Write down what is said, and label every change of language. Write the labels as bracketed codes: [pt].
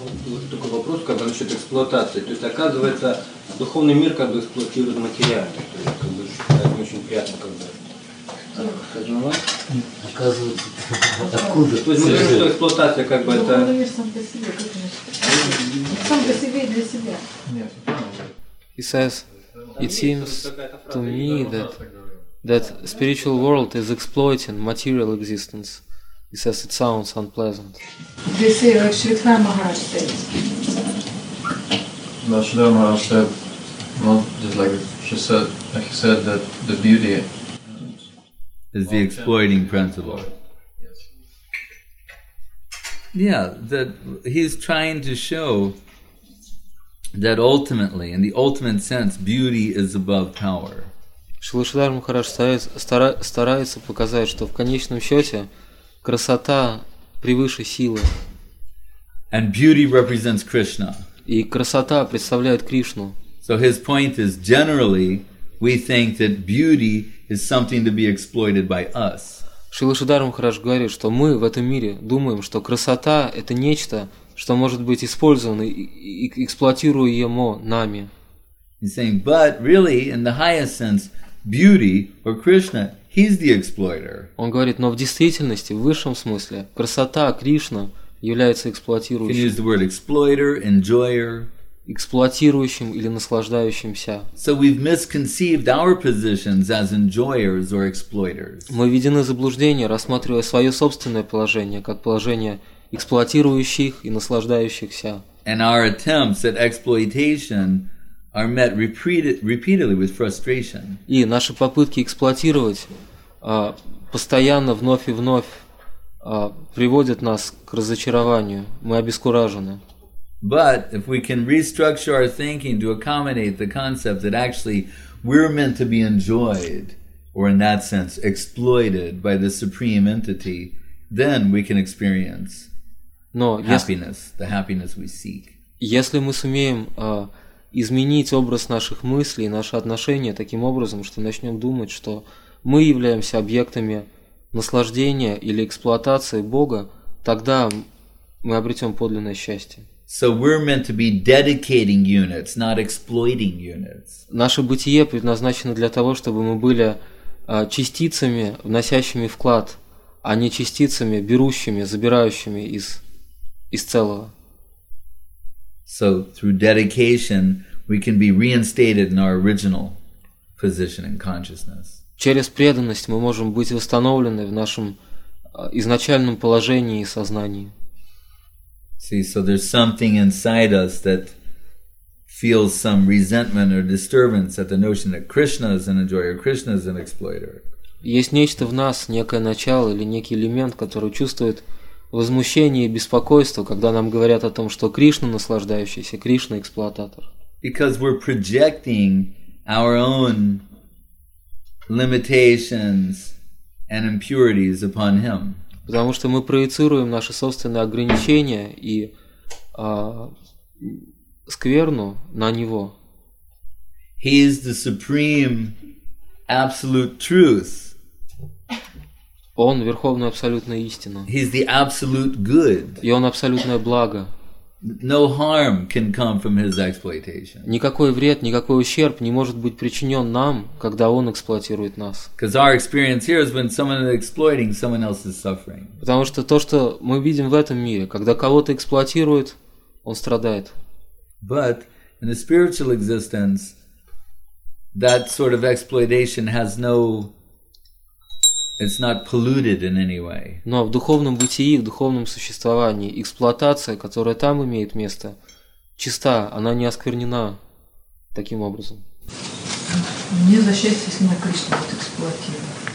[ru] вот такой вопрос, когда насчет эксплуатации. То есть оказывается, духовный мир как бы эксплуатирует материальный. То есть, как бы, это очень приятно, как бы. Оказывается, откуда? То есть мы говорим, что эксплуатация как бы это. Духовный мир сам по себе, как сам по себе и для себя. Нет. [en] He says, it seems to me that spiritual world is exploiting material existence. He says it sounds unpleasant. They say like Shri Thay Maharaj says. Well, Shri Thay Maharaj said, well, just like she said, that the beauty is the exploiting principle. Yes. Yeah, that he's trying to show that ultimately, in the ultimate sense, beauty is above power. [ru] Шри Шридхар Махарадж старается показать, что в конечном счете красота превыше силы. [en] And beauty represents Krishna. [ru] И красота представляет Кришну. [en] So his point is, generally, we think that beauty is something to be exploited by us. [ru] Шри Шридхар Махарадж говорит, что мы в этом мире думаем, что красота – это нечто, что может быть использовано и эксплуатируемо нами. [en] He's saying, but really, in the highest sense, beauty or Krishna, he's the exploiter. [ru] Он говорит, но в действительности, в высшем смысле, красота Кришна является эксплуатирующим. [en] He can use the word exploiter, enjoyer. [ru] Эксплуатирующим или наслаждающимся. [en] So we've misconceived our positions as enjoyers or exploiters. [ru] Мы введены в заблуждение, рассматривая свое собственное положение как положение эксплуатирующих и наслаждающихся. [en] And our attempts at exploitation are met repeatedly with frustration. [ru] И наши попытки эксплуатировать постоянно вновь и вновь приводят нас к разочарованию. Мы обескуражены. [en] But if we can restructure our thinking to accommodate the concept that actually we're meant to be enjoyed, or in that sense exploited by the supreme entity, then we can experience happiness, the happiness we seek. [ru] Если мы сумеем изменить образ наших мыслей, наши отношения таким образом, что начнем думать, что мы являемся объектами наслаждения или эксплуатации Бога, тогда мы обретем подлинное счастье. [en] So we're meant to be dedicating units, not exploiting units. [ru] Наше бытие предназначено для того, чтобы мы были частицами, вносящими вклад, а не частицами, берущими, забирающими из целого. [en] So through dedication we can be reinstated in our original position in consciousness. [ru] Через преданность мы можем быть восстановлены в нашем изначальном положении сознания. [en] See, so there's something inside us that feels some resentment or disturbance at the notion that Krishna is an enjoyer, Krishna is an exploiter. [ru] Есть нечто в нас, некое начало или некий элемент, который чувствует возмущение и беспокойство, когда нам говорят о том, что Кришна наслаждающийся, Кришна эксплуататор. [en] Because we're projecting our own limitations and impurities upon him. [ru] Потому что мы проецируем наши собственные ограничения и скверну на него. [en] He is the supreme absolute truth. [ru] Он верховная абсолютная истина. [en] He is the absolute good. [ru] И он абсолютное благо. [en] No harm can come from his exploitation. [ru] Никакой вред, никакой ущерб не может быть причинен нам, когда он эксплуатирует нас. [en] Because our experience here is when someone is exploiting, someone else is suffering. [ru] Потому что то, что мы видим в этом мире, когда кого-то эксплуатируют, он страдает. [en] But in the spiritual existence, that sort of exploitation has no. It's not polluted in any way. [ru] Но в духовном бытии, в духовном существовании, эксплуатация, которая там имеет место, чиста, она не осквернена таким образом. Мне за счастье, если меня Кришна будет эксплуатировать.